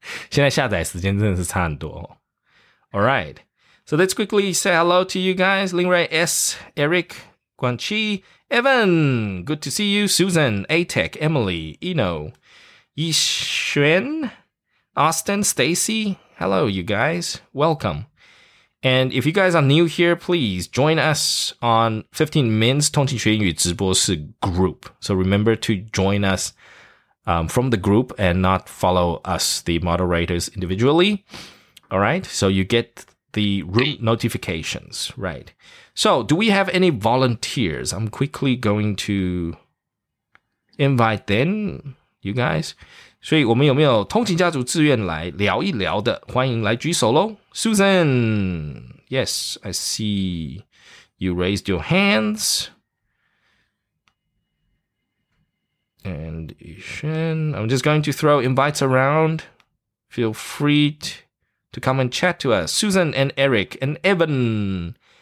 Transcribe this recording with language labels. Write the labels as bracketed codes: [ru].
[zh] 现在下载时间真的是差很多。 [en] All right, so let's quickly say hello to you guys. Ling Ray S, Eric, Guan Chi, Evan, good to see you. Susan, A-Tech, Emily, Eno, Yi Xuan, Austin, Stacy. Hello, you guys. Welcome. And if you guys are new here, please join us on 15 Min's 通勤学英语直播室 group. So remember to join us from the group and not follow us, the moderators, individually. All right? So you get the room notifications, right? So do we have any volunteers? I'm quickly going to invite then you guys. [zh] 所以我们有没有通勤家族自愿来聊一聊的？欢迎来举手咯。 [en] Susan, yes, I see you raised your hands. And Yishen, I'm just going to throw invites around. Feel free to come and chat to us. Susan and Eric and Evan.